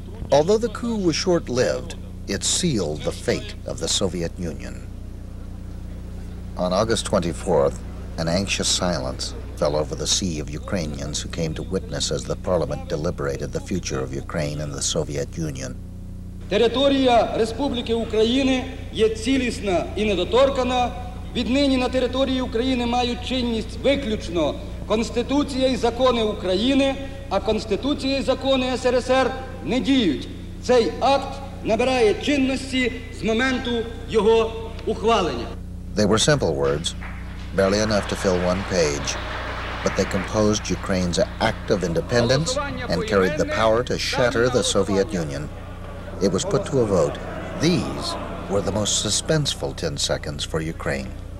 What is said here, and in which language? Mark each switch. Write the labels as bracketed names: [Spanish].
[English] Although the coup was short-lived, it sealed the fate of the Soviet Union. On August 24th, an anxious silence fell over the sea of Ukrainians who came to witness as the parliament deliberated the future of Ukraine and the Soviet Union. [Ukrainian] Територія Республіки України є цілісна і недоторкана. Віднині на території України мають чинність виключно Конституція і закони України, а Конституція і закони СРСР не діють. Цей акт набирає чинності з моменту його ухвалення. [English] They were simple words, barely enough to fill one page, but they composed Ukraine's act of independence and carried the power to shatter the Soviet Union. It was put to a vote. These were the most suspenseful 10 seconds for Ukraine.